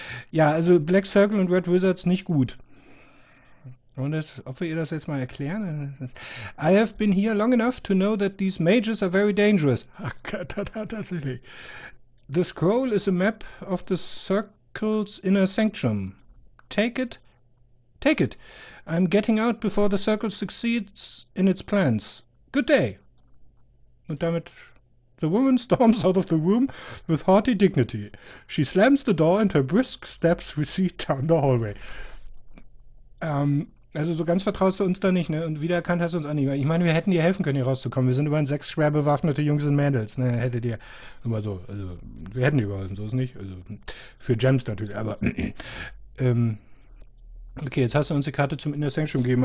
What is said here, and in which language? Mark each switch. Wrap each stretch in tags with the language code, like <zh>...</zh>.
<de>Ja, also Black Circle und Red Wizards nicht gut. Ob wir ihr das jetzt mal erklären?</de> <en>I have been here long enough to know that these mages are very dangerous.</en> <de>Ach Gott, tatsächlich.</de> <en>The scroll is a map of the circle's inner sanctum. Take it. Take it. I'm getting out before the circle succeeds in its plans. Good day.</en> <de>Und damit</de> <en>the woman storms out of the room with haughty dignity. She slams the door and her brisk steps recede down the hallway.</en> <de>Also so ganz vertraust du uns da nicht, ne? Und wiedererkannt hast du uns auch nicht. Ich meine, wir hätten dir helfen können, hier rauszukommen. Wir sind über 6 schwer bewaffnete Jungs und Mädels, ne? Hättet ihr. Immer so, also wir hätten dir geholfen, so ist nicht. Also für Gems natürlich, aber. Okay, jetzt hast du uns die Karte zum Inner Sanctum gegeben.</de>